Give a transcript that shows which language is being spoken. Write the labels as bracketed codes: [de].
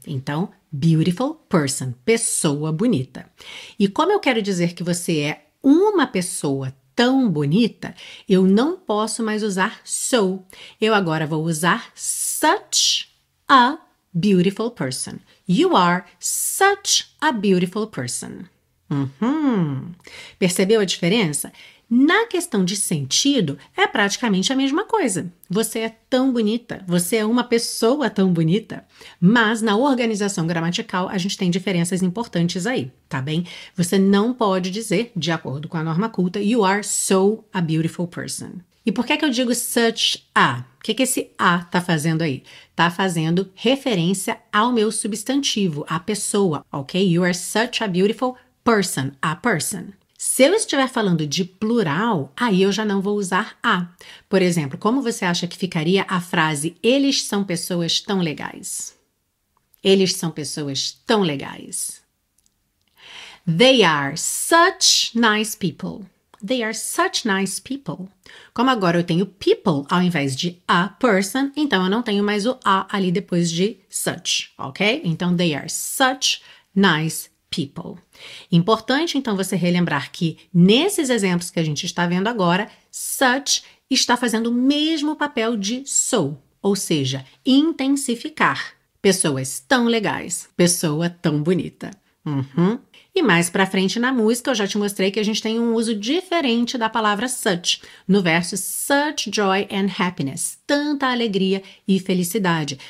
[pt] Então, [en] beautiful person, [pt] pessoa bonita. E como eu quero dizer que você é uma pessoa tão bonita, eu não posso mais usar so. Eu agora vou usar [en] such a beautiful person. You are such a beautiful person. [pt] Percebeu a diferença? Na questão de sentido, é praticamente a mesma coisa. Você é tão bonita, você é uma pessoa tão bonita. Mas na organização gramatical, a gente tem diferenças importantes aí, tá bem? Você não pode dizer, de acordo com a norma culta, [en] you are so a beautiful person. [pt] E por que é que eu digo [en] such a? [pt] O que, que esse a tá fazendo aí? Tá fazendo referência ao meu substantivo, à pessoa, ok? [en] You are such a beautiful person, a person. [pt] Se eu estiver falando de plural, aí eu já não vou usar a. Por exemplo, como você acha que ficaria a frase eles são pessoas tão legais? Eles são pessoas tão legais. [en] They are such nice people. They are such nice people. [pt] Como agora eu tenho people ao invés de [en] a person, [pt] então eu não tenho mais o a ali depois de such, ok? Então, [en] they are such nice people. [pt] Importante, então, você relembrar que nesses exemplos que a gente está vendo agora, such está fazendo o mesmo papel de so, ou seja, intensificar. Pessoas tão legais, pessoa tão bonita. Uhum. E mais pra frente na música, eu já te mostrei que a gente tem um uso diferente da palavra such, no verso [en] such joy and happiness, [pt] tanta alegria e felicidade.